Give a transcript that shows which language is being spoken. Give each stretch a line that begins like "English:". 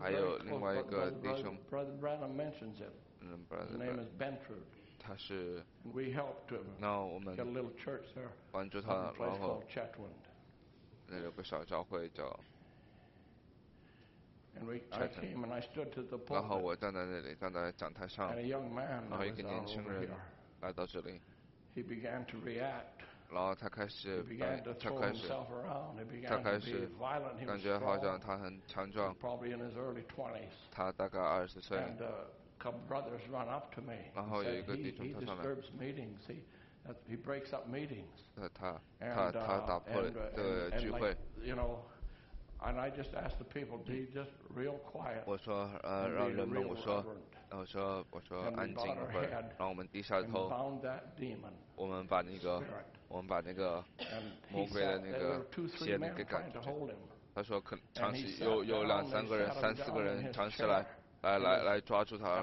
Chinese: 还有另外一个弟兄。
English: Brother Branham mentions him. Brother. His name is Bentrud.
Chinese: 他是。
English: And we helped him.
Chinese: 那我们。
English: Got a little church there.
Chinese: 帮助他，然后。
English: Place called Chetwynd.
Chinese: 那有个小教会叫。
English: And we, I came and I stood to the pulpit.
Chinese: 然后我站在那里，站在讲台上。
English: And a young man,
Chinese: 然后一个年轻人来到这里。
English: He began to react.
Chinese: 然后他开始，
English: he began to throw himself around. He began to be violent. He was strong.
Chinese: 感觉好像他很强壮。
English: Probably in his early twenties.
Chinese: 他大概二十岁。
English: And a couple brothers run up to me.
Chinese: 然后有一个弟兄他上来。
English: He disturbs meetings. He breaks up meetings.
Chinese: 他打破了这个聚会。
English: You know. And I just asked the people to be just real quiet.
Chinese: 我说，让人们我说安静一会儿，让我们低下头。
English: And bound that demon.
Chinese: 我们把那个魔鬼的那个邪灵给赶出去。他说，可尝试有两三个人，三四个人尝试来抓住他。